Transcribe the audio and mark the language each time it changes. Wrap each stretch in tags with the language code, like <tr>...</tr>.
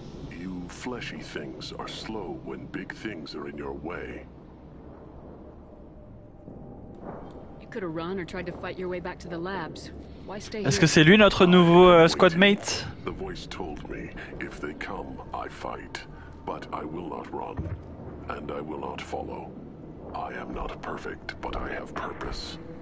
<en>You fleshy things are slow when big things are in your way. You could have run or tried to fight your way back to the labs. Why stay here?</en> <fr>Est-ce que c'est lui notre nouveau squad mate?</fr> <en>The voice told me, if they come, I fight. But I will not run, and I will not follow. I am not perfect, but I have purpose.</en>